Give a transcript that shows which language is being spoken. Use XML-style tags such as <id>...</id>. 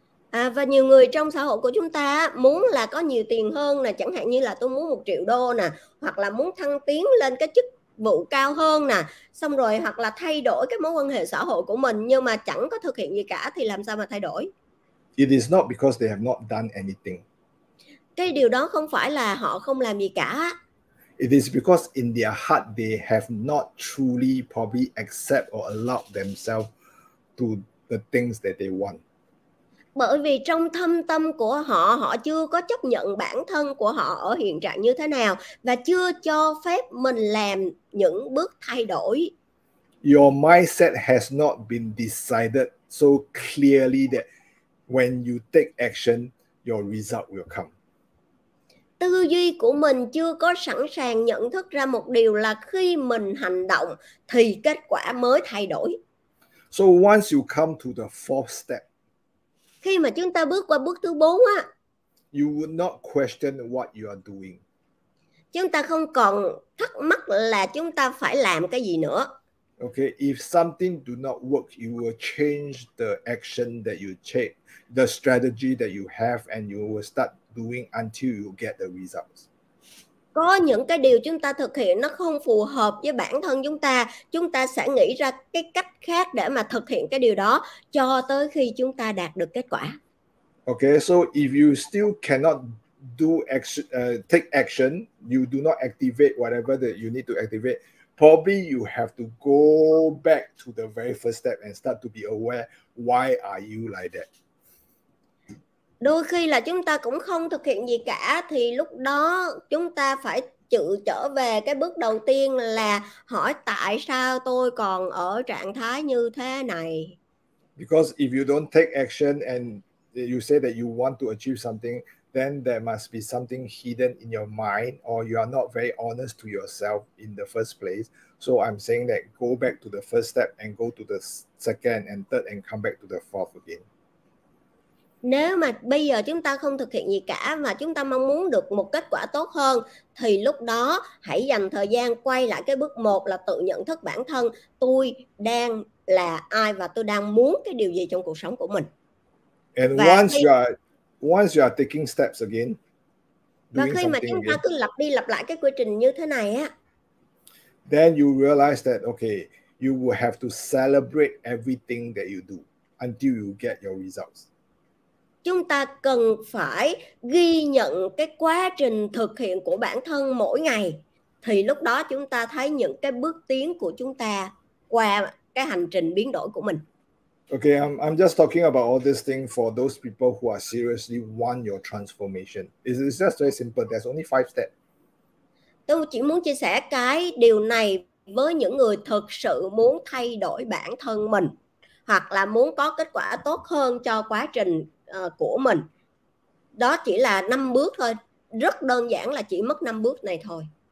<vi>À, và nhiều người trong xã hội của chúng ta muốn là có nhiều tiền hơn nè, chẳng hạn như là tôi muốn 1 triệu đô nè, hoặc là muốn thăng tiến lên cái chức vụ cao hơn nè, xong rồi hoặc là thay đổi cái mối quan hệ xã hội của mình, nhưng mà chẳng có thực hiện gì cả thì làm sao mà thay đổi?</vi> <en>It is not because they have not done anything.</en> <vi>Cái điều đó không phải là họ không làm gì cả.</vi> <en>It is because in their heart they have not truly probably accept or allow themselves to the things that they want.</en> <vi>Bởi vì trong thâm tâm của họ, họ chưa có chấp nhận bản thân của họ ở hiện trạng như thế nào và chưa cho phép mình làm những bước thay đổi.</vi> <en>Your mindset has not been decided so clearly that when you take action, your result will come.</en> <vi>Tư duy của mình chưa có sẵn sàng nhận thức ra một điều là khi mình hành động thì kết quả mới thay đổi.</vi> <en>So once you come to the fourth step,</en> <vi>khi mà chúng ta bước qua bước thứ 4 á,</vi> <en>you would not question what you are doing.</en> <vi>Chúng ta không còn thắc mắc là chúng ta phải làm cái gì nữa.</vi> <en>Okay, if something do not work, you will change the action that you take, the strategy that you have, and you will start doing until you get the results.</en> <vi>Có những cái điều chúng ta thực hiện nó không phù hợp với bản thân chúng ta sẽ nghĩ ra cái cách khác để mà thực hiện cái điều đó cho tới khi chúng ta đạt được kết quả.</vi> <en>Okay, so if you still cannot do take action, you do not activate whatever that you need to activate, probably you have to go back to the very first step and start to be aware why are you like that.</en> <vi>Đôi khi là chúng ta cũng không thực hiện gì cả thì lúc đó chúng ta phải tự trở về cái bước đầu tiên là hỏi tại sao tôi còn ở trạng thái như thế này.</vi> <en>Because if you don't take action and you say that you want to achieve something, then there must be something hidden in your mind or you are not very honest to yourself in the first place. So I'm saying that go back to the first step and go to the second and third and come back to the fourth again.</en> <vi>Nếu mà bây giờ chúng ta không thực hiện gì cả mà chúng ta mong muốn được một kết quả tốt hơn thì lúc đó hãy dành thời gian quay lại cái bước 1 là tự nhận thức bản thân tôi đang là ai và tôi đang muốn cái điều gì trong cuộc sống của mình.</vi> <en>And và once khi... you are taking steps again.</en> <vi>Và khi mà chúng ta cứ lặp đi lặp lại cái quy trình như thế này á,</vi> <en>then you realize that okay, you will have to celebrate everything that you do until you get your results.</en> <vi>Chúng ta cần phải ghi nhận cái quá trình thực hiện của bản thân mỗi ngày. Thì lúc đó chúng ta thấy những cái bước tiến của chúng ta qua cái hành trình biến đổi của mình.</vi> <en>Okay, I'm just talking about all this thing for those people who are seriously want your transformation. It's just very simple. There's only 5 steps.</en> <vi>Tôi chỉ muốn chia sẻ cái điều này với những người thực sự muốn thay đổi bản thân mình hoặc là muốn có kết quả tốt hơn cho quá trình của mình. Đó chỉ là 5 bước thôi. Rất đơn giản là chỉ mất 5 bước này thôi.</vi>